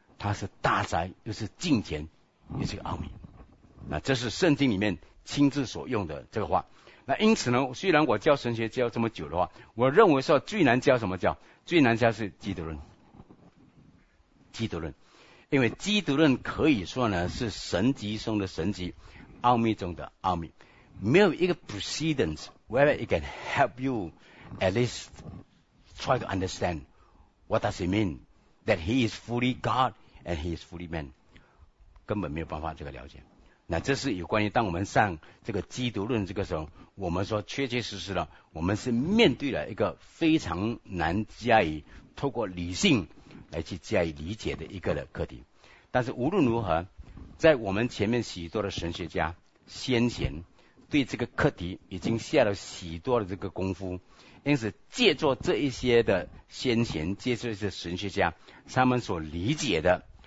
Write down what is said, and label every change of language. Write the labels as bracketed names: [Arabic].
[Chinese] 他是大哉又是敬虔，也是个奥秘。那这是圣经里面亲自所用的这个话。那因此呢，虽然我教神学教这么久的话，我认为说最难教什么教？最难教是基督论。基督论，因为基督论可以说呢是神级中的神级，奥秘中的奥秘。没有一个 [English] precedent where it can help you at least try to understand what does it mean that he is fully God and he is fully man。 [Chinese] 根本没有办法这个了解。那这是有关于当我们上这个基督论这个时候，我们说确确实实的我们是面对了一个非常难加以透过理性来去加以理解的一个的课题。但是无论如何，在我们前面许多的神学家先前对这个课题已经下了许多的这个功夫，因此借助这一些的先前，借助一些神学家他们所理解的，